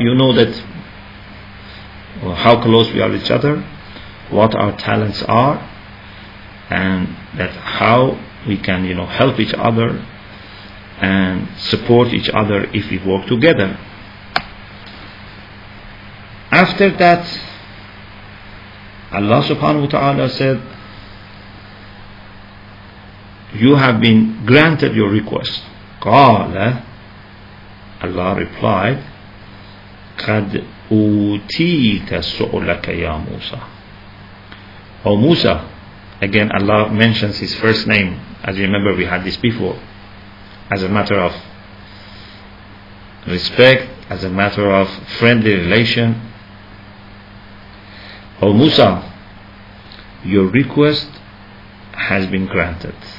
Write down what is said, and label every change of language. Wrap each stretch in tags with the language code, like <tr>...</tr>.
<en>You know that how close we are to each other, what our talents are, and that how we can, you know, help each other and support each other if we work together. After that, Allah subhanahu wa ta'ala said, you have been granted your request.</en> <ar>Qala,</ar> <en>Allah replied,</en> <ar>قَدْ أُوتِيتَ سُؤْلَكَ يَا مُوسَى.</ar> <en>O Musa, again Allah mentions his first name. As you remember, we had this before. As a matter of respect, as a matter of friendly relation. O Musa, your request has been granted.</en>